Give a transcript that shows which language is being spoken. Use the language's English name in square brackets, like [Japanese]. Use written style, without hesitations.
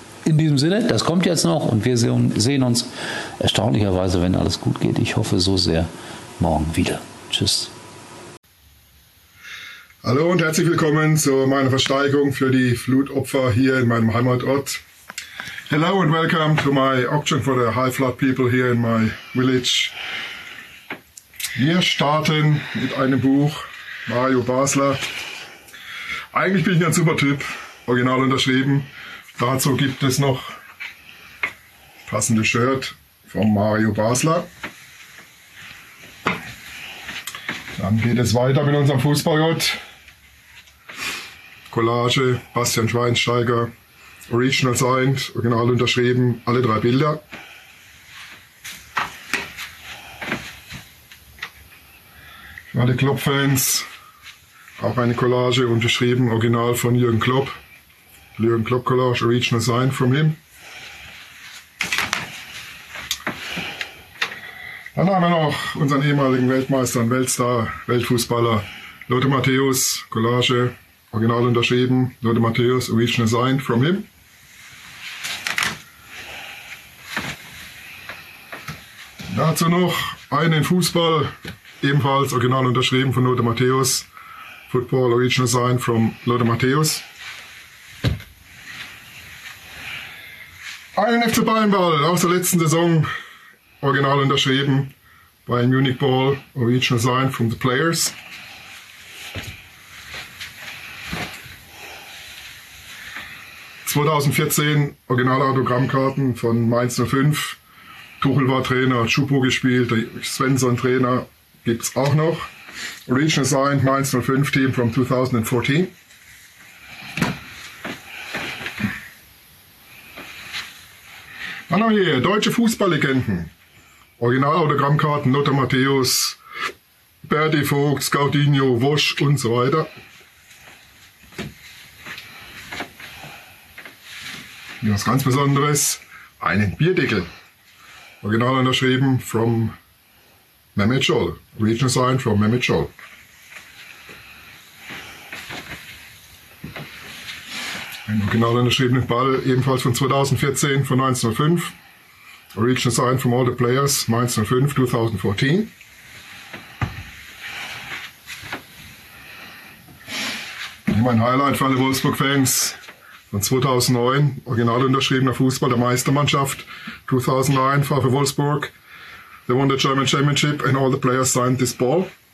[German] In diesem Sinne, das kommt jetzt noch und wir sehen uns erstaunlicherweise, wenn alles gut geht. Ich hoffe so sehr, morgen wieder. Tschüss. Hallo und herzlich willkommen zu meiner Versteigerung für die Flutopfer hier in meinem Heimatort. [English] Hello and welcome to my auction for the high flood people here in my village. [German] Wir starten mit einem Buch, Mario Basler. Eigentlich bin ich ein super Typ, original unterschrieben. Dazu gibt es noch passende Shirt von Mario Basler. Dann geht es weiter mit unserem Fußballgott. Collage, Bastian Schweinsteiger, [English] original signed, [German] original unterschrieben, alle drei Bilder. Für alle Klopp-Fans, auch eine Collage unterschrieben, original von Jürgen Klopp. [English] Leon Klopp Collage Original Sign from him. [German] Dann haben wir noch unseren ehemaligen Weltmeister und Weltstar, Weltfußballer Lothar Matthäus, Collage, original unterschrieben, Lothar Matthäus, [English] original signed from him. [German] Dazu noch einen Fußball, ebenfalls original unterschrieben von Lothar Matthäus, [English] Football, original signed from Lothar Matthäus. [German] Einen FC Bayernball aus der letzten Saison, original unterschrieben. [English] By Munich Ball, original signed from the players. [German] ...2014, originale Autogrammkarten von Mainz 05. Tuchel war Trainer, Choupo gespielt, Svensson Trainer, gibt's auch noch. [English] Original signed Mainz 05 Team from 2014. [German] Dann haben wir hier deutsche Fußballlegenden. Original-Autogrammkarten, Lothar Matthäus, Berti Vogt, Scaudinho, Wosch und so weiter. Und was ganz Besonderes, einen Bierdeckel. Original unterschrieben from Mehmet Scholl. [English] Original signed from Mehmet Scholl. [German] Ein original unterschriebenen Ball, ebenfalls von 2014, von 1905. [English] Original Sign from all the players, Mainz 05, 2014. [German] Mein Highlight für alle Wolfsburg-Fans von 2009, original unterschriebener Fußball der Meistermannschaft, 2009 war für Wolfsburg. [English] They won the German Championship and all the players signed this ball.